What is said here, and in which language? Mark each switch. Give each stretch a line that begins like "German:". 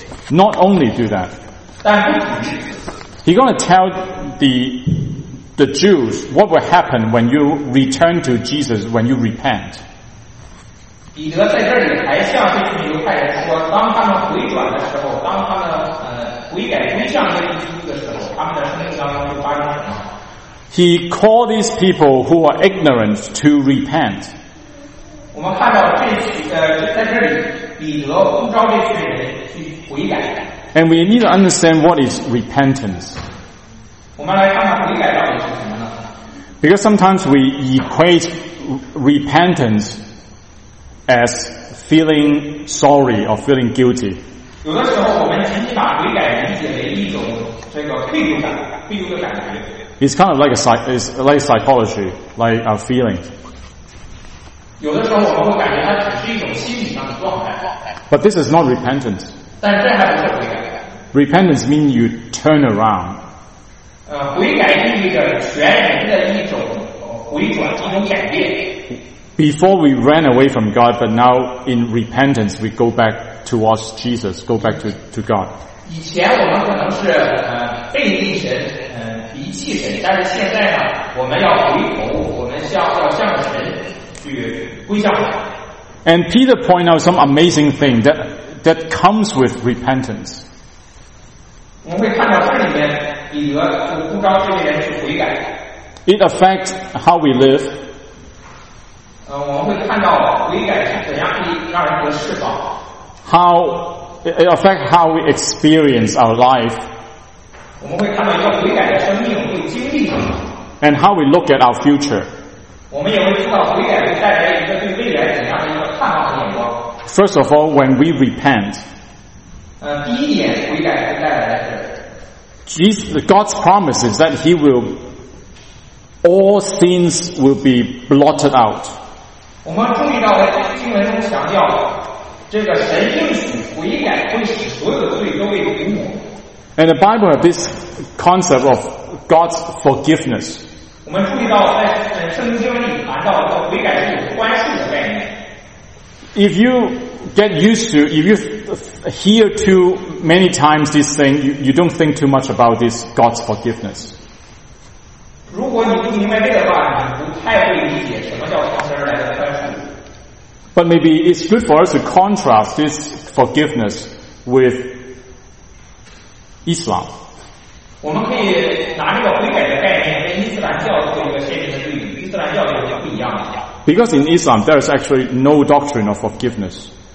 English: Not only do that, he's going to tell the Jews what will happen when you return to Jesus, when you repent.
Chinese: 彼得在这里还向这群犹太人说，当他们回转的时候，当他们悔改归向耶稣基督的时候，他们的生命当中就发生什么？
English: He called these people who are ignorant to repent.
Chinese: 我们看到这群在这里，彼得呼召这群人去悔改。
English: And we need to understand what is repentance.
Chinese: 我们来看看悔改到底是什么呢？
English: Because sometimes we equate repentance. As feeling sorry or feeling guilty. It's kind of like a psychology, like a feeling.
Chinese: 有的时候我们会感觉它只是一种心理上的状态。
English: But this is not repentance.
Chinese: 但这还不是悔改。
English: Repentance means you turn around.
Chinese: 悔改意味着全人的一种回转，一种改变。
English: Before we ran away from God, but now in repentance, we go back towards Jesus, go back to God.
Chinese: 以前我们可能是背离神，离弃神，但是现在呢，我们要回头，我们要向神去归向。
English: And Peter pointed out some amazing thing that comes with repentance.
Chinese: 我们会看到这里面彼得就呼召这些人去悔改。
English: It affects how we live.
Chinese: 我们会看到悔改是怎样可以让人得释放。
English: How it affects how we experience our life.
Chinese: 我们会看到一个悔改的生命会经历什么。
English: And how we look at our future.
Chinese: 我们也会知道悔改会带来一个对未来怎样的一个。
English: First of all, when we repent,
Chinese: 第一点悔改会带来的是
English: God's promise is that He will all sins will be blotted out.
Chinese: 我们注意到在这个经文中强调，这个神应许悔改会使所有的罪都被涂抹。
English: And the Bible has this concept of God's forgiveness.
Chinese: 我们注意到在圣经里谈到和悔改是有关系的。
English: If you get used to, if you hear too many times this thing, you don't think too much about this God's forgiveness.
Chinese: 如果你不明白这个话，你不太会理解什么叫从神而来的宽恕。
English: But maybe it's good for us to contrast this forgiveness with Islam.
Chinese: 我们可以拿这个悔改的概念跟伊斯兰教做一个鲜明的对比，伊斯兰教有点不一样。
English: Because in Islam, there is actually no doctrine of forgiveness.